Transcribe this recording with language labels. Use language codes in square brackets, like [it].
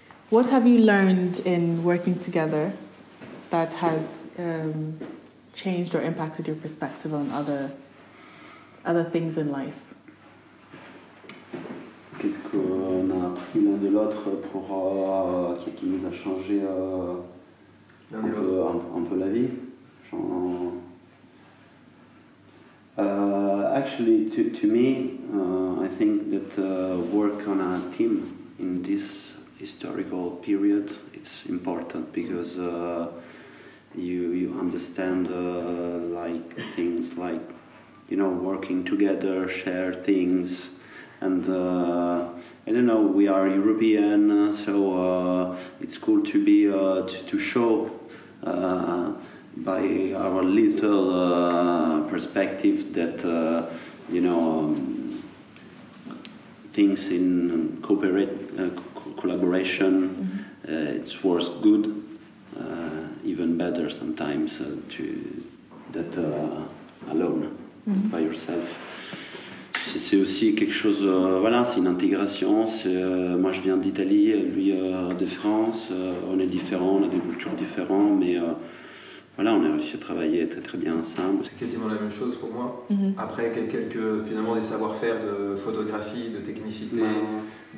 [en] What have you learned in working together that has changed or impacted your perspective on other things in life? [fr] Qu'est-ce qu'on a appris l'un de l'autre pour qui nous a changé un peu la vie? [en] Actually, to me, I think that work on a team in this historical period, it's important because you understand like things like, you know, working together, share things, and I don't know, we are European, so it's cool to be to show by our little perspective that you know, things in collaboration, mm-hmm. It's worse good, even better sometimes alone, mm-hmm. by yourself. [fr] C'est aussi quelque chose, voilà, c'est une intégration. Moi, je viens d'Italie, lui de France. On est différents, on a des cultures différentes, mais voilà, on a réussi à travailler très très bien ensemble. C'est quasiment la même chose pour moi. Mm-hmm. Après, quelques finalement des savoir-faire de photographie, de technicité, mm-hmm.